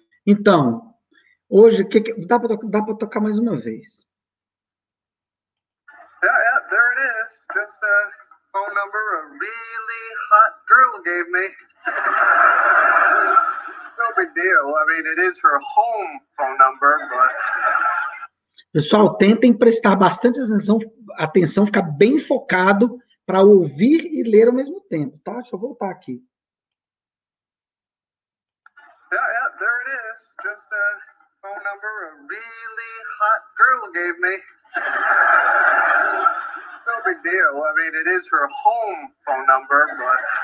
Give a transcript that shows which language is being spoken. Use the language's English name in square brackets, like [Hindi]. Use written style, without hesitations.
[Portuguese] Então, hoje, dá para tocar mais uma vez. [English] Yeah, yeah, there it is. Just a phone number a really hot girl gave me. It's no big deal. I mean, it is her home phone number, but... [Portuguese] Pessoal, tentem prestar bastante atenção, ficar bem focado para ouvir e ler ao mesmo tempo, tá? Deixa eu voltar aqui. [English] Yeah, yeah, there it is. Just a phone number a really hot girl gave me. It's no big deal. I mean, it is her home phone number, but...